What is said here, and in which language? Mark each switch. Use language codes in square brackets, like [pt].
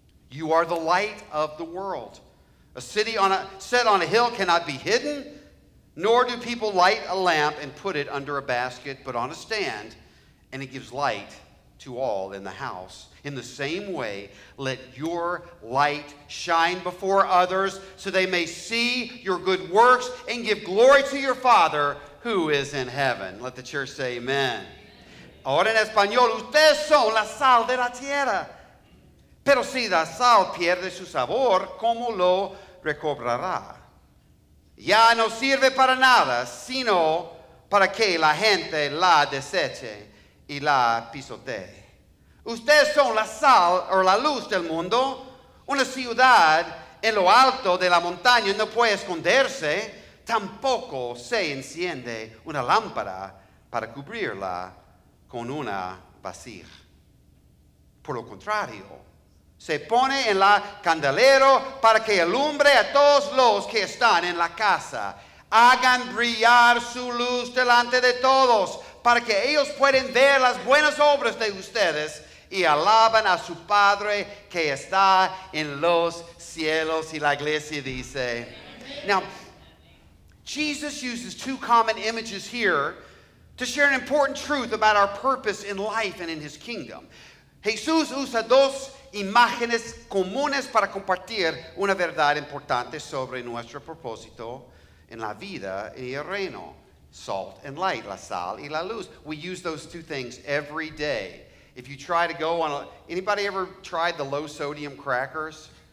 [en] You are the light of the world. A city set on a hill cannot be hidden, nor do people light a lamp and put it under a basket, but on a stand, and it gives light to all in the house. In the same way, let your light shine before others so they may see your good works and give glory to your Father who is in heaven. Let the church say amen. [es] Ahora en español, ustedes son la sal de la tierra. Pero si la sal pierde su sabor, ¿cómo lo recobrará? Ya no sirve para nada, sino para que la gente la deseche y la pisotee. Ustedes son la sal o la luz del mundo. Una ciudad en lo alto de la montaña no puede esconderse. Tampoco se enciende una lámpara para cubrirla con una vacía. Por lo contrario, se pone en la candelero para que alumbre a todos los que están en la casa. Hagan brillar su luz delante de todos para que ellos puedan ver las buenas obras de ustedes y alaban a su Padre que está en los cielos. Y la iglesia dice, [en] now, Jesus uses two common images here to share an important truth about our purpose in life and in his kingdom. [es] Jesús usa dos imágenes comunes para compartir una verdad importante sobre nuestro propósito en la vida y el reino. [en] Salt and light, [es] la sal y la luz. [en] We use those two things every day. If you try to go on, anybody ever tried the low sodium crackers?